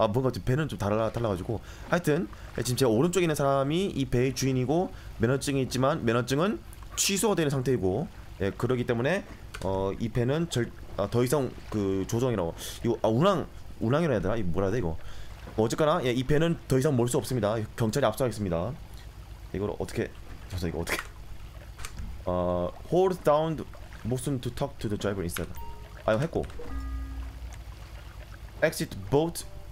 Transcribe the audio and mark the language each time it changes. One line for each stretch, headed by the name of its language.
Korean: 아 뭔가 지금 배는 좀 달라가지고 하여튼 예, 지금 제 오른쪽에 있는 사람이 이 배의 주인이고 면허증이 있지만 면허증은 취소되는 상태이고 예 그러기 때문에 이 배는 더 이상 그 조정이라고 이거 아 운항이라 해야 되나? 이 뭐라 해야 돼 이거 어쨌거나 예, 이 배는 더 이상 몰 수 없습니다. 경찰이 압수하겠습니다. 이걸 어떻게 잠시만 이거 어떻게
English: hold down motion to talk to the driver instead.
Korean: 아 이거 했고
English: exit boat.